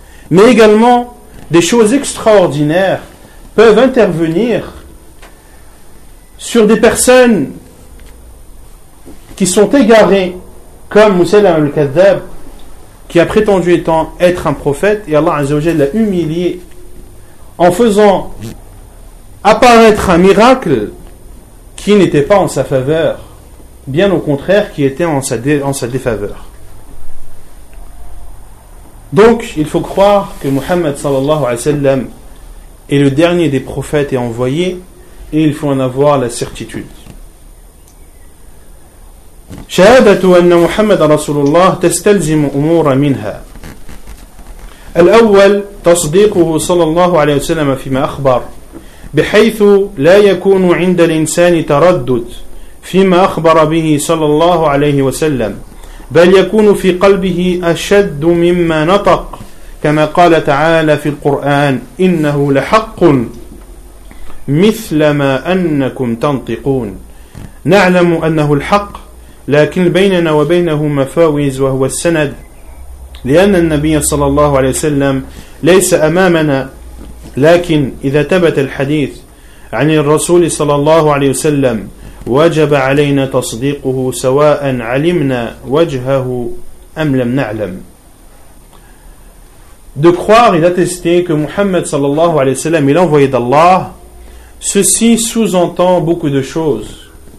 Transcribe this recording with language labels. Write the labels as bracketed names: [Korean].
[French] Mais également, des choses extraordinaires peuvent intervenir sur des personnes qui sont égarées, comme Musaylama al-Kadhab, qui a prétendu être un prophète, et Allah Azza wa Jal l'a humilié en faisant apparaître un miracle qui n'était pas en sa faveur, bien au contraire, qui était en sa défaveur. Donc, il faut croire que Muhammad sallallahu alayhi wa sallam est le dernier des prophètes et envoyés, et il faut en avoir la certitude. [Arabic] شهادة أن محمد رسول الله تستلزم أمورا منها. الأول تصديقه صلى الله عليه وسلم فيما أخبر، بحيث لا يكون عند الإنسان تردد فيما أخبر به صلى الله عليه وسلم، بل يكون في قلبه أشد مما نطق، كما قال تعالى في القرآن إنه لحق مثل ما أنكم تنطقون. نعلم أنه الحق، لكن بيننا وبينه مفاوز وهو السند، لأن النبي صلى الله عليه وسلم ليس أمامنا، لكن إذا ثبت الحديث عن الرسول صلى الله عليه وسلم وجب علينا تصديقه سواء علمنا وجهه أم لم نعلم. [French] De croire et d'attester que Muhammad sallallahu alayhi wa sallam est l'envoyé d'Allah, ceci sous-entend beaucoup de choses.